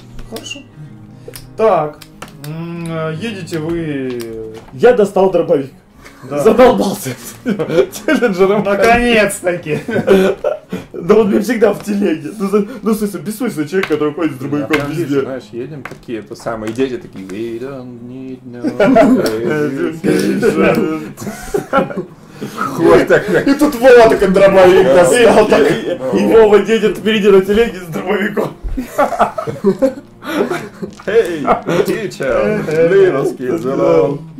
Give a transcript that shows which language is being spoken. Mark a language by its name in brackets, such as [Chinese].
[Russian] Хорошо. Так, едете вы... Я достал дробовик. Да. Задолбался челленджером. Наконец-таки. Да он мне всегда в телеге. Ну, в смысле, бессмысленно, человек, который ходит с дробовиком везде. Знаешь, едем такие, это самые дети такие. [English] We don't need no education. [Russian] Хуй так. И тут Вова так дробовик достал. И Вова едет впереди на телеге с дробовиком. [English] Эй, teacher, leave us kids alone.